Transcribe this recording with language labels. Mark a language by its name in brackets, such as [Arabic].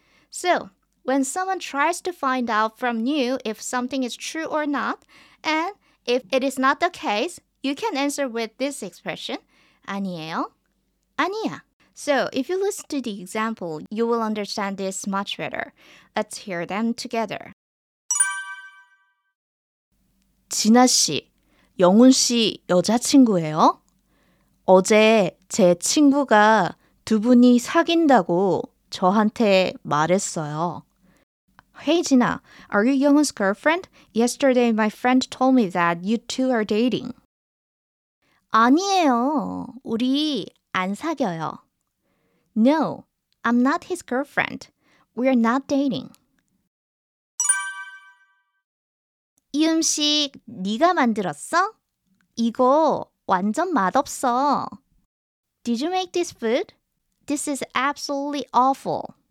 [English] So, when someone tries to find out from you if something is true or not, and if it is not the case, you can answer with this expression, [Korean] 아니에요, 아니야. [English] So, if you listen to the example, you will understand this much better. Let's hear them together. [Korean] 진아 씨, 영훈 씨 여자친구예요? 어제 제 친구가 두 분이 사귄다고 저한테 말했어요. [English] Hey, 진아, are you Young-un's girlfriend? Yesterday, my friend told me that you two are dating. [Korean] 아니에요, 우리 안 사겨요. [English] No, I'm not his girlfriend. We're not dating. [Korean] 이 음식 네가 만들었어? 이거 완전 맛없어. [English] Did you make this food? This is absolutely awful.